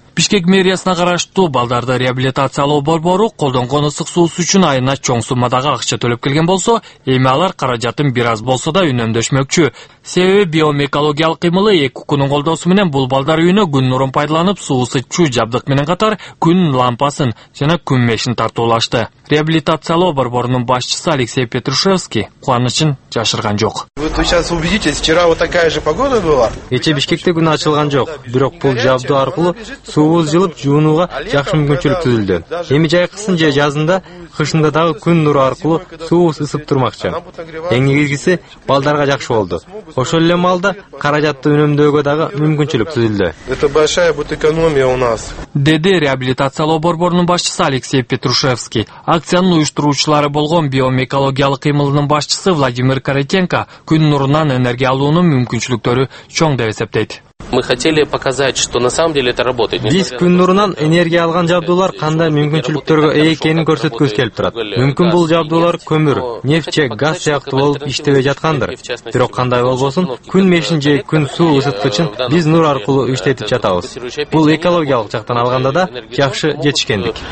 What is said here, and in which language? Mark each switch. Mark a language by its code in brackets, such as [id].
[ky] Бишкек мэриясына караштуу балдарды реабилитациялоо борбору колдонгон ысык суусу үчүн айына чоң суммадагы акча төлөп келген болсо, эми алар каражатын бир аз болсо да үнөмдөшмөкчү. Себеби биомэкологиялык кыймылы ЭКУКунун колдоосу менен бул балдар үйүнө күн нурун пайдаланып, суусу чуу жабдык менен катар күн лампасын жана күн мешин тартуулашты. Реабилитациялоо борборунун башчысы Алексей Петрушевский кубанычын жашырган жок. [ru] Сейчас убедитесь, вчера вот такая же погода была. [ky] Эче Бишкекте күн ачылган жок, бирок бул жабдуу аркылуу суубуз жылып жуунууга жакшы мүмкүнчүлүк түзүлдү. Эми жай кысын же жазында, кышында дагы күн нуру аркылуу суубуз ысып турмакчы. Эң негизгиси балдарга жакшы болду. Ошол эле маалда каражатты үнөмдөөгө дагы мүмкүнчүлүк түзүлдү. [ru] Это большая будет экономия у нас. [ky] Деди реабилитациялоо борборунун башчысы Алексей Петрушевский. Акциянын уюштуруучулары болгон биомэкологиялык кыймылынын башчысы Владимир Каратенко күн нурунан энергия алуунун мүмкүнчүлүктөрү чоң деп эсептейт. [ru] Мы хотели показать, что на самом деле это работает. Би [ky] Биз күн нурунан энергия алган жабдуулар кандай мүмкүнчүлүктөргө ээ экенин көрсөткүбүз келип турат. Мүмкүн бул жабдуулар көмүр, нефть же газ сыяктуу болуп иштебей жаткандыр. Бирок кандай болбосун, күн мешин же күн суу ысыткычын биз нур аркылуу иштетип жатабыз. Бул экологиялык жактан алганда да жакшы жетишкендик.